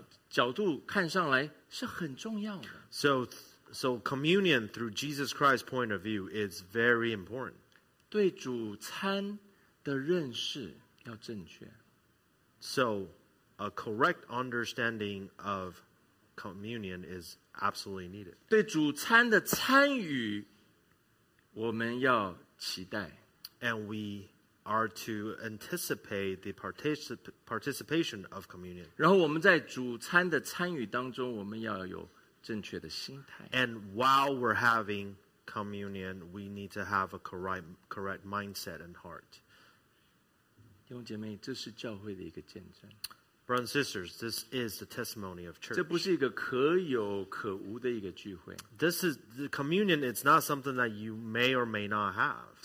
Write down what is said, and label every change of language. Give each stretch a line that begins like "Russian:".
Chinese: 所以我们看见圣餐在主耶稣基督的这个角度看上来是很重要的。
English: So communion through Jesus Christ's point of view is very important.
Chinese: 对主餐的认识要正确。
English: So a correct understanding of communion is absolutely needed.
Chinese: 对主餐的参与我们要期待。
English: And we are to anticipate the participation of communion.
Chinese: 然后我们在主餐的参与当中我们要有正确的心态。
English: And while we're having communion, we need to have a correct mindset and heart.
Chinese: 弟兄姐妹,这是教会的一个见证。
English: Brothers and sisters, this is the testimony of church.
Chinese: 这不是一个可有可无的一个聚会。
English: This is the communion. It's not something that you may or may not have.